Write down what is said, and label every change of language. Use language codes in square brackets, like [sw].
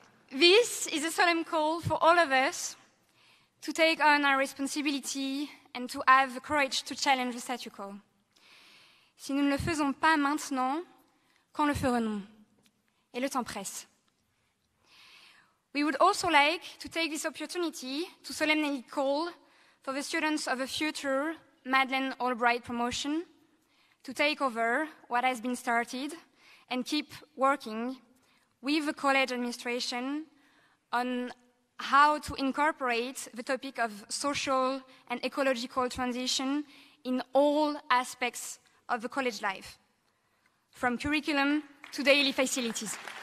[en] This is a solemn call for all of us to take on our responsibility and to have the courage to challenge the statu quo. [fr] Si nous ne le faisons pas maintenant, quand le ferons-nous? Et le temps presse. [en] We would also like to take this opportunity to solemnly call for the students of a future Madeleine Albright promotion to take over what has been started and keep working with the college administration on how to incorporate the topic of social and ecological transition in all aspects of the college life, from curriculum to daily facilities.